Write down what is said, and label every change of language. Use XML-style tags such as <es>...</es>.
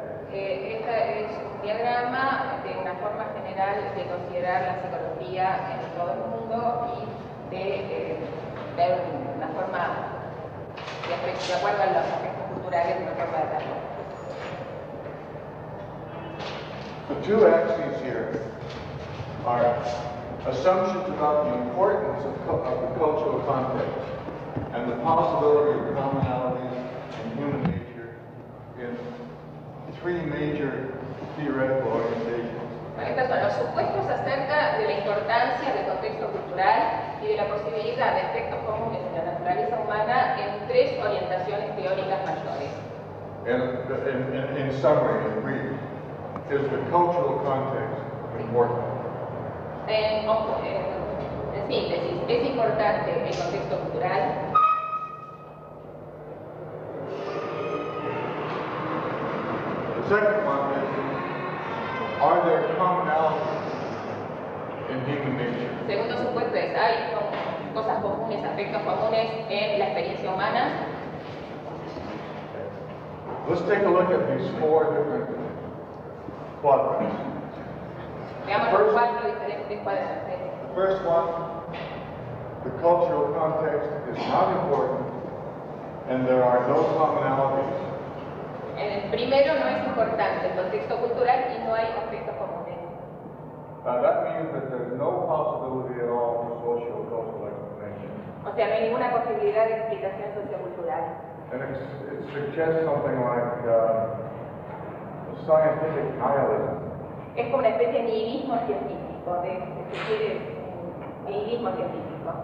<es>Este es un diagrama de una forma general de considerar la psicología en todo el mundo y de ver una forma de acuerdo a los aspectos culturales de una forma de trabajo.</es> <en>The two axes here are assumptions about the importance of the cultural context and the possibility of commonalities in human nature in three major theoretical orientations.</en> <es>Estos son los supuestos acerca de la importancia del contexto cultural y de la posibilidad de efectos comunes en la naturaleza humana en tres orientaciones teóricas mayores.</es> <en>In summary, in brief, is the cultural context important?</en> <es>En síntesis, ¿es importante el contexto cultural?</es> <en>The second one is, are there commonalities in human nature?</en> <es>Segundo supuesto es, ¿hay cosas comunes, aspectos comunes en la experiencia humana?</es> <en>Let's take a look at these four different quadrants. The first one, the cultural context is not important, and there are no commonalities.</en> <es>En el primero no es importante el contexto cultural y no hay aspectos comunes.</es> <en>That means that there is no possibility at all for social cultural explanation.</en> <es>O sea, no hay ninguna posibilidad de explicación sociocultural.</es> <en>And it suggests something like scientific nihilism.</en> <es>Es como una especie de nihilismo científico, nihilismo científico.</es>